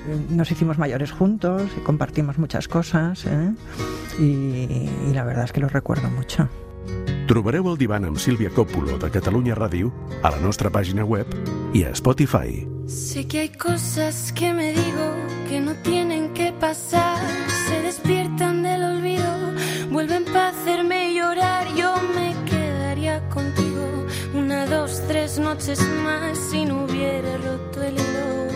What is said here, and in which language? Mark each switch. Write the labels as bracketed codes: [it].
[es] Nos hicimos mayores juntos y compartimos muchas cosas, y la verdad es que lo recuerdo mucho. [ca] Trobareu el divan amb Sílvia Coppolo de Catalunya Ràdio a la nostra pàgina web i a Spotify. [es] Sé que hay cosas que me digo que no tienen que pasar. Se despiertan del olvido, vuelven para hacerme llorar. Yo me quedaría contigo una, dos, tres noches más si no hubiera roto el hilo.